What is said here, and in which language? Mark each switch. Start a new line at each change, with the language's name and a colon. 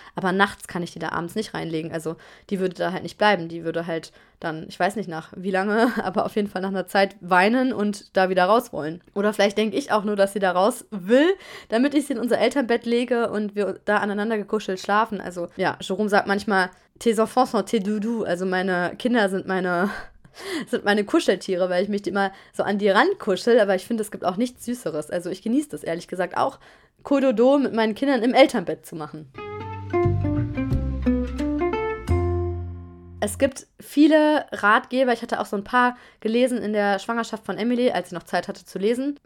German: Aber nachts kann ich die da abends nicht reinlegen. Also die würde da halt nicht bleiben. Die würde halt dann, ich weiß nicht nach wie lange, aber auf jeden Fall nach einer Zeit weinen und da wieder raus wollen. Oder vielleicht denke ich auch nur, dass sie da raus will, damit ich sie in unser Elternbett lege und wir da aneinander gekuschelt schlafen. Also ja, Jérôme sagt manchmal,
French: tes enfants sont tes doudous.
German: Also meine Kinder sind meine Kuscheltiere, weil ich mich immer so an die Rand kuschel. Aber ich finde, es gibt auch nichts Süßeres. Also ich genieße das ehrlich gesagt auch, cododo mit meinen Kindern im Elternbett zu machen. Es gibt viele Ratgeber. Ich hatte auch so ein paar gelesen in der Schwangerschaft von Emily, als sie noch Zeit hatte zu lesen.